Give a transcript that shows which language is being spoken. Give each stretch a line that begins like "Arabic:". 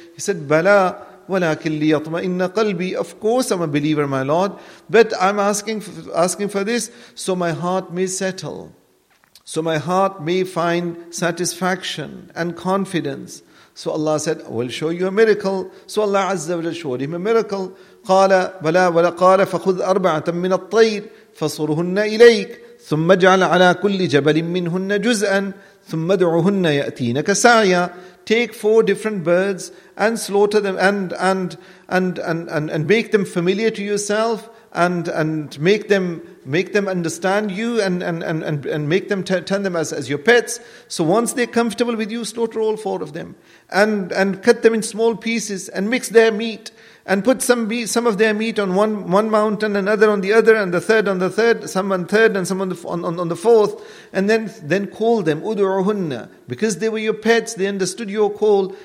English: He said,
Arabic: بَلَا وَلَكِنْ لِيَطْمَئِنَّ قَلْبِي.
English: Of course I'm a believer, my Lord. But I'm asking for this so my heart may settle. So my heart may find satisfaction and confidence. So Allah said, I will show you a miracle. So Allah Azza wa Jal showed him a miracle.
Arabic: قال بلا ولا قال فخذ أربعة من الطير فصرهن إليك ثم اجعل على كل جبل منهن جزءا ثم ادعهن يأتينك سعيا.
English: Take four different birds and slaughter them and make them familiar to yourself and make them understand you and make them turn them as your pets. So once they're comfortable with you, slaughter all four of them and cut them in small pieces and mix their meat and put some of their meat on one mountain, another on the other, and the third on the third, some on third and some on the fourth, and then call them udu'uhunna, because they were your pets, they understood your call.